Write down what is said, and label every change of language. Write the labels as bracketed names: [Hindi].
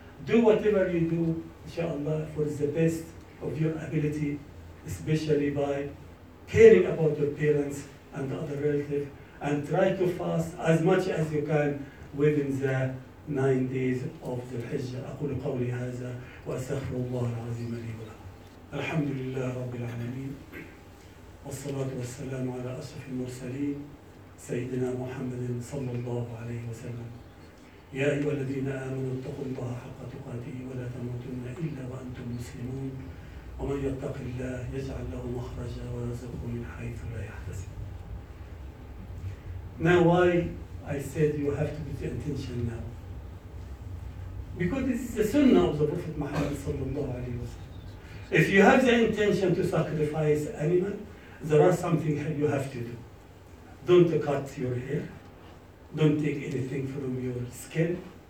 [English] Do whatever you do, inshallah, for the best of your ability, especially by caring about your parents and other relatives, and try to fast as much as you can within the 9 days of the Hijjah. [Arabic] أقول قولي هذا وأستغفر الله العظيم لي ولكم. الحمد لله رب العالمين والصلاة والسلام على أشرف المرسلين سيدنا محمد صلى الله عليه وسلم. يا أيها الذين آمنوا اتقوا الله حق تقاته ولا تموتن إلا وأنتم مسلمون. ومن يتق الله يجعل له مخرجا ويرزقه من حيث لا يحتسب. [English] Now why I said you have to be the intention now? Because this is the Sunnah of the Prophet Muhammad sallallahu alayhi wa sallam. If you have the intention to sacrifice animal, there are something you have to do. Don't cut your hair. Don't take anything from your skin.